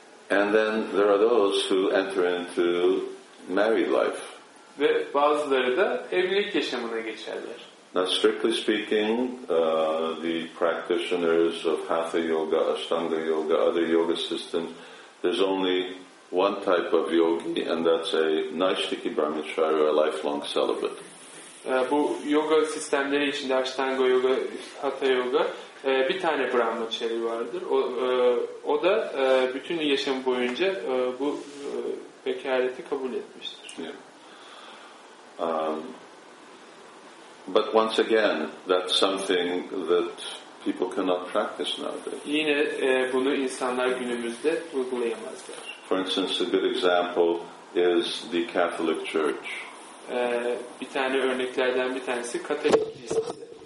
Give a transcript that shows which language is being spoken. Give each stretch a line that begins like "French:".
English: And then there are those who enter into married life.
Turkish: Ve bazıları da evlilik yaşamına geçerler.
English: Now, strictly speaking, the practitioners of Hatha Yoga, Ashtanga Yoga, other yoga systems, there's only one type of yogi, and that's a Naishtiki Brahmacharya, a lifelong celibate.
Turkish: Bu yoga sistemleri içinde Ashtanga Yoga, Hatha Yoga, bir tane Brahmacharya vardır. O da bütün yaşam boyunca bu bekareti kabul etmiştir.
English: But once again, that's something that people cannot practice nowadays.
Turkish: Yine bunu insanlar günümüzde uygulayamazlar.
English: For instance, a good example is the Catholic Church.
Turkish: Bir tane örneklerden bir tanesi Katolik Kilisesi.